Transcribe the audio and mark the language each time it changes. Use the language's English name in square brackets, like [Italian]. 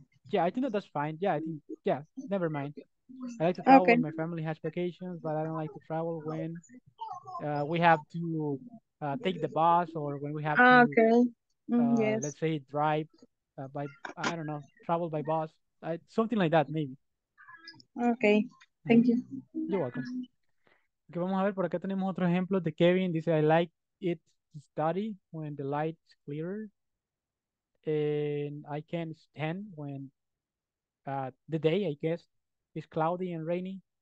[English] yeah, I think that that's fine. Yeah, I think... Yeah, never mind. I like to travel when my family has vacations, but I don't like to travel when we have to take the bus or when we have to... Okay. Yes. Let's say drive by, I don't know, travel by bus. Something like that, maybe. Okay. Thank you. You're welcome. [Spanish] Okay, vamos a ver, por acá tenemos otro ejemplo de Kevin. [English] Dice, I like it to study when the light's clearer. And I can stand when the day, I guess, is cloudy and rainy.